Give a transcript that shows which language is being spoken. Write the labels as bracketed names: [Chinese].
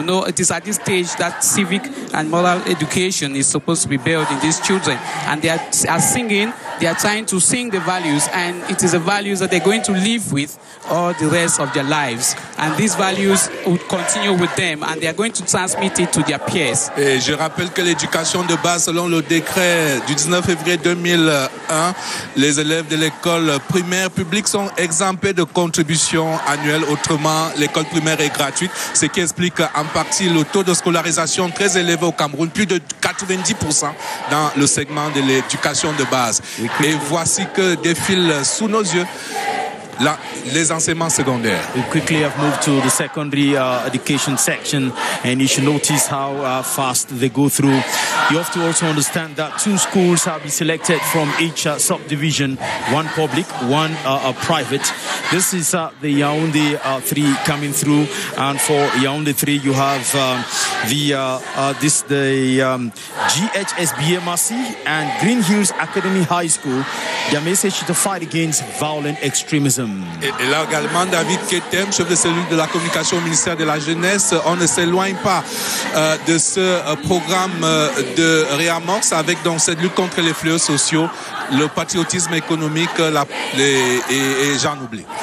[English] You know, it is at this stage that civic and moral education is supposed to be built in these children. And they are singing, they are trying to sing the values, and it is the values that they're going to live with all the rest of their lives. And these values would continue with them, and they are going to transmit it to their peers. [French] Et je rappelle que l'éducation de base, selon le décret du 19 février 2001, les élèves de l'école primaire publique sont exemptés de contributions annuelles. Autrement, l'école primaire est gratuite, ce qui explique en partie le taux de scolarisation très élevé au Cameroun, plus de 90% dans le segment de l'éducation de base. Et voici que défile sous nos yeux là, les enseignements secondaires. [English] We quickly have moved to the secondary education section, and you should notice how fast they go through. You have to also understand that two schools have been selected from each subdivision, one public, one private. This is the Yaoundé 3 coming through, and for Yaoundé 3 you have GHSBMRC and Green Hills Academy High School. Their message is to fight against violent extremism. [French] Et là également, David Ketem, chef de cellule de la communication au ministère de la Jeunesse, on ne s'éloigne pas de ce programme de réamorce avec donc cette lutte contre les fléaux sociaux, le patriotisme économique et j'en oublie.